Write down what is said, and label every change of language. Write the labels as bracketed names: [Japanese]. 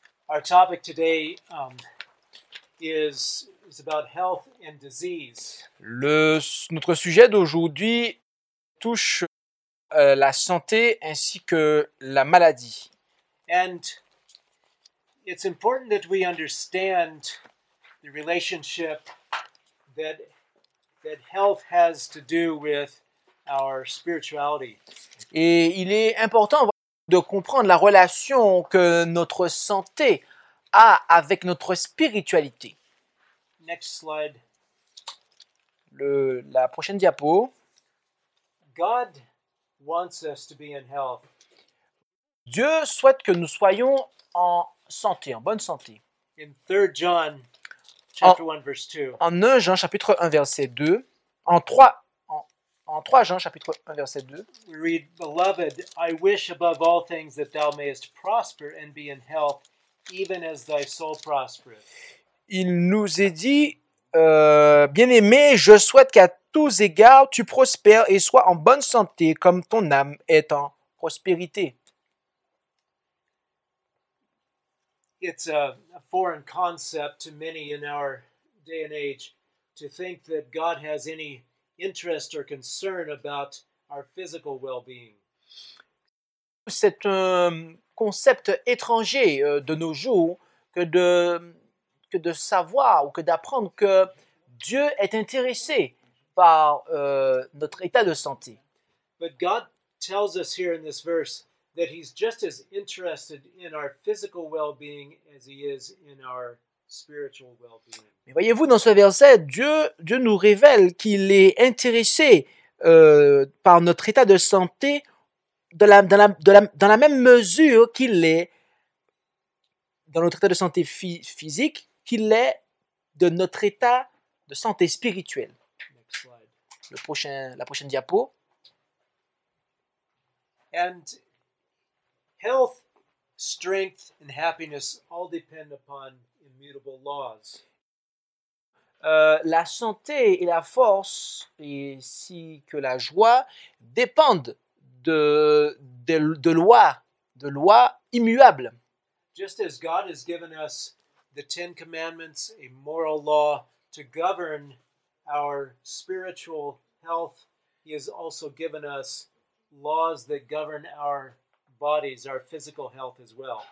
[English] Our topic today is about health and disease. [French] Notre sujet d'aujourd'hui touche la santé ainsi que la maladie. [English] And it's important that we understand the relationship that health has to do with our spirituality. [French] Et il est important de comprendre la relation que notre santé a avec notre spiritualité. [English] Next slide. [French] La prochaine diapo. [English] God wants us to be in health. [French] Dieu souhaite que nous soyons en santé, en bonne santé. [English] In 3 John chapter 1 verse 2. [French] En 1 Jean chapitre 1 verset 2, en 3 Jean chapitre 1 verset 2. [English] We read, "Beloved, I wish above all things that thou mayest prosper and be in health, even as thy soul prospereth." [French] Il nous est dit, bien-aimé, je souhaite qu'à tous égards, tu prospères et sois en bonne santé comme ton âme est en prospérité. [English] It's a foreign concept to many in our day and age to think that God has any interest or concern about our physical well-being. [French] C'est un concept étranger de nos jours que de savoir ou que d'apprendre que Dieu est intéressé par notre état de santé. [English] But God tells us here in this verse that he's just as interested in our physical well-being as he is in our spiritual well-being. [French] Mais voyez-vous, dans ce verset, Dieu nous révèle qu'il est intéressé par notre état de santé dans la même mesure qu'il est dans notre état de santé physique, qu'il est de notre état de santé spirituelle. La prochaine diapo. [English] And health, strength, and happiness all depend upon immutable laws. [French] La santé et la force, et ainsi que la joie, dépendent de lois immuables. [English] Just as God has given us the Ten Commandments, a moral law, to govern our spiritual health, he has also given us laws that govern our bodies, our physical health as well.